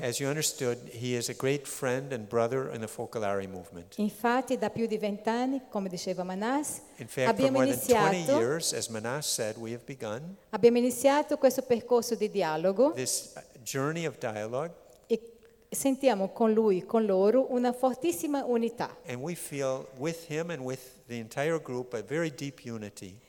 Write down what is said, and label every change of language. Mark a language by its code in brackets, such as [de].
[en] As you understood, he is a great friend and brother in the Focolari movement. [it] Infatti, da più di 20 anni, come diceva Manas, [en] in fact, [it] abbiamo [en] for more [it] iniziato, [en] than 20 years, as Manas said, we have begun. [it] Abbiamo iniziato questo percorso di dialogo. [en] This journey of dialogue. [it] E sentiamo con lui, con loro, una fortissima unità. [en] And we feel with him and with the entire group a very deep unity.